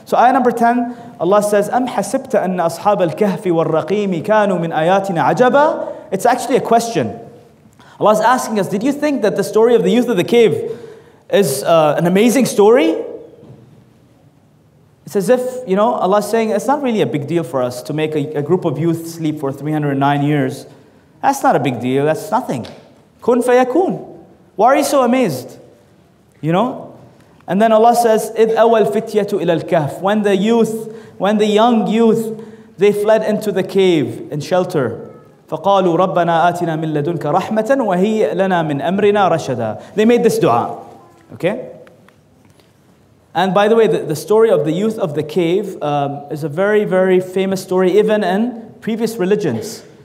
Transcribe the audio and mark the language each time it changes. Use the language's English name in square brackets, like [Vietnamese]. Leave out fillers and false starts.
[English] So ayah number 10, Allah says, [Arabic] أَمْ حَسِبْتَ أَنَّ أَصْحَابَ الْكَهْفِ وَالرَّقِيمِ كَانُوا مِنْ آيَاتِنَا عَجَبًا. [English] It's actually a question. Allah is asking us, did you think that the story of the youth of the cave is an amazing story? It's as if, you know, Allah is saying, it's not really a big deal for us to make a group of youth sleep for 309 years. That's not a big deal, that's nothing. [Arabic] كُنْ فَيَكُونَ. [English] Why are you so amazed? You know? And then Allah says, [Arabic] إِذْ أَوَى الْفِتْيَةُ إِلَى الْكَهْفِ. [English] When the young youth, they fled into the cave in shelter. [Arabic] فَقَالُوا رَبَّنَا آتِنَا مِنْ لَدُنْكَ رَحْمَةً وَهِيَ لَنَا مِنْ أَمْرِنَا رَشَدًا. [English] They made this dua. Okay? And by the way, the story of the youth of the cave is a very, very famous story even in previous religions.